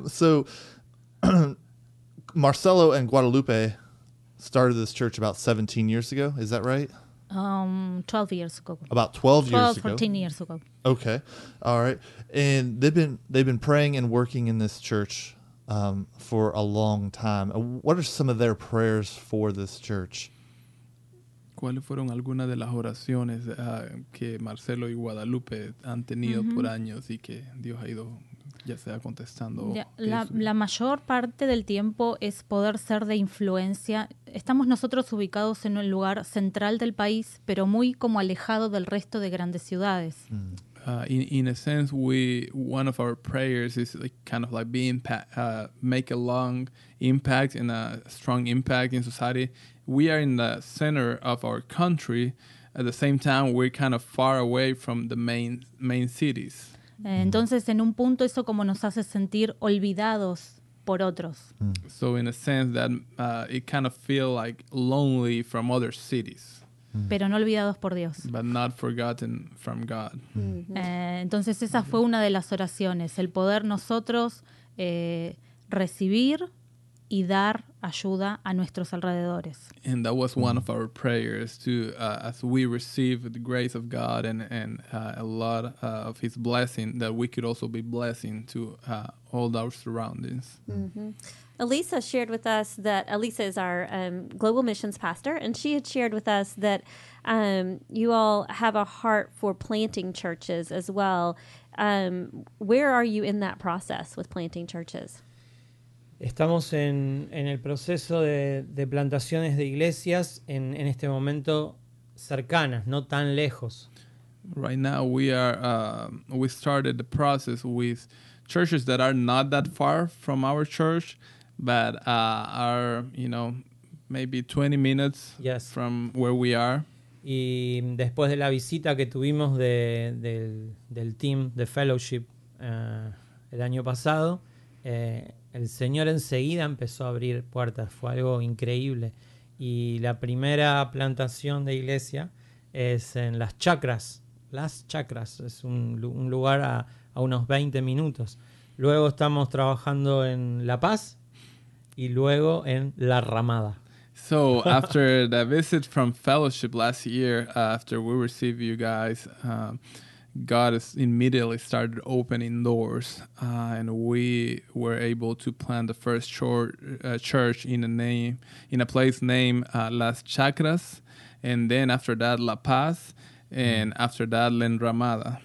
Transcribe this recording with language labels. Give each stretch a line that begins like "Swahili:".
English: So Marcelo and Guadalupe started this church about 17 years ago. Is that right? 12 years ago. About 12 years ago. 14 years ago. Okay. All right. And they've been praying and working in this church for a long time. What are some of their prayers for this church?
Spanish: ¿Cuáles fueron algunas de las oraciones que Marcelo y Guadalupe han tenido por años y que Dios ha ido ya sea contestando? La mayor parte del tiempo es poder ser de influencia. Estamos nosotros ubicados en un lugar central del país, pero muy como alejado del resto de grandes ciudades.
English: In a sense, one of our prayers is like kind of like make a long impact and a strong impact in society. We are in the center of our country. At the same time, we're kind of far away from the main cities.
Spanish: Entonces, en un punto, eso como nos hace sentir olvidados por otros. Mm.
English: So in a sense that it kind of feel like lonely from other cities.
Spanish: Pero no olvidados por Dios.
English: But not forgotten from God.
Spanish: Entonces, esa fue una de las oraciones, el poder nosotros recibir y dar ayuda a nuestros alrededores.
English: And that was one of our prayers to as we receive the grace of God and a lot of his blessing, that we could also be blessing to all our surroundings. Elisa shared with us that Elisa is our global missions pastor, and she had shared with us that you all have a heart for planting churches as well. Where are you in that process with planting churches?
Spanish: Estamos en el proceso de plantaciones de iglesias en este momento cercanas, no tan lejos.
English: Right now we are we started the process with churches that are not that far from our church, but are, you know, maybe 20 minutes from where we are.
Spanish: Y después de la visita que tuvimos del team de Fellowship el año pasado, el Señor enseguida empezó a abrir puertas. Fue algo increíble. Y la primera plantación de iglesia es en Las Chacras. Las Chacras es un lugar a unos 20 minutos. Luego estamos trabajando en La Paz y luego en La Ramada.
English: So after the visit from Fellowship last year, after we received you guys, God has immediately started opening doors, and we were able to plant the first church in a place named Las Chacras, and then after that La Paz, and after that La Ramada.